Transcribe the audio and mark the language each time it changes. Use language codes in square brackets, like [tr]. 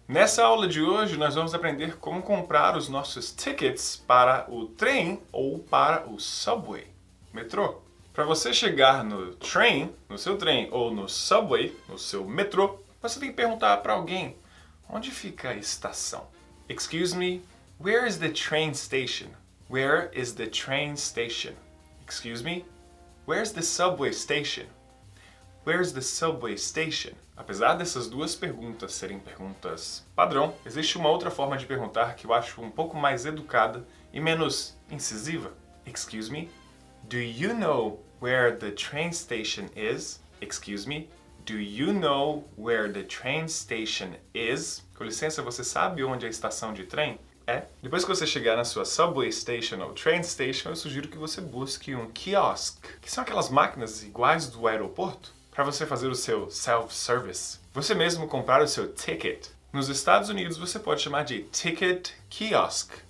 [pt] Nessa aula de hoje, nós vamos aprender como comprar os nossos tickets para o trem ou para o subway, metrô. Para você chegar no train, no seu trem, ou no subway, no seu metrô, você tem que perguntar para alguém, onde fica a estação? [en] Excuse me, where is the train station? Where is the train station? Excuse me? Where's the subway station? Where's the subway station? [pt] Apesar dessas duas perguntas serem perguntas padrão, existe uma outra forma de perguntar que eu acho um pouco mais educada e menos incisiva. [en] Excuse me? Do you know where the train station is? Excuse me? Do you know where the train station is? [pt] Com licença, você sabe onde é a estação de trem? É. Depois que você chegar na sua subway station ou train station, eu sugiro que você busque um kiosk, que são aquelas máquinas iguais do aeroporto, para você fazer o seu self-service. Você mesmo comprar o seu ticket. Nos Estados Unidos, você pode chamar de ticket kiosk.